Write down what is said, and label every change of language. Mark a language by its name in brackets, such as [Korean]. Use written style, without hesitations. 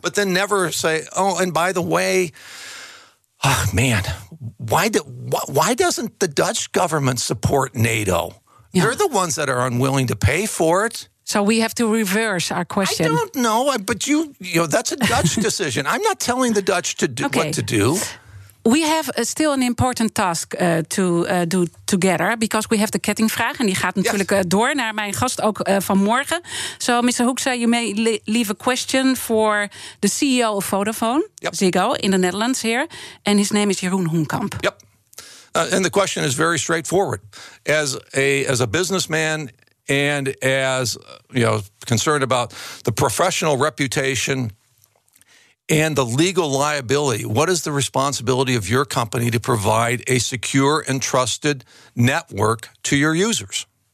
[English] But then never say, oh, and by the way, oh, man, why doesn't the Dutch government support NATO? Yeah. They're the ones that are unwilling to pay for it. So we have to reverse our question. I don't know, but you know, that's a Dutch decision. I'm not telling the Dutch to do what to do. We have still an important task to do together, because we have the kettingvraag. [Dutch] En die gaat natuurlijk yes. door naar mijn gast ook vanmorgen. [English] So, Mr. Hoekstra, you may leave a question for the CEO of Vodafone, yep. Ziggo, in the Netherlands here. And his name is Jeroen Hoenkamp. Yep. And the question is very straightforward. As a businessman and as, you know, concerned about the professional reputation and the legal liability, what is the responsibility of your company to provide a secure and trusted network to your users?